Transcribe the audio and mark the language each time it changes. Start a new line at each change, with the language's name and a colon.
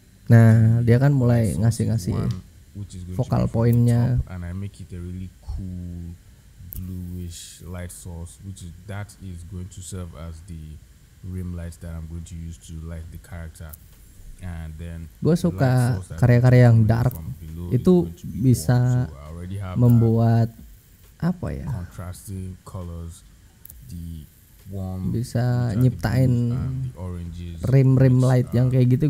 Indonesian: Nah, dia kan mulai ngasih vokal poinnya.
English: And I make it a really cool bluish light source, which is, that is going to serve as the rim light that I'm going to use to light the character. And then
Indonesian: gua suka karya-karya yang dark itu bisa membuat apa ya,
English: contrasting colors, the warm,
Indonesian: bisa nyiptain rim light yang kayak gitu.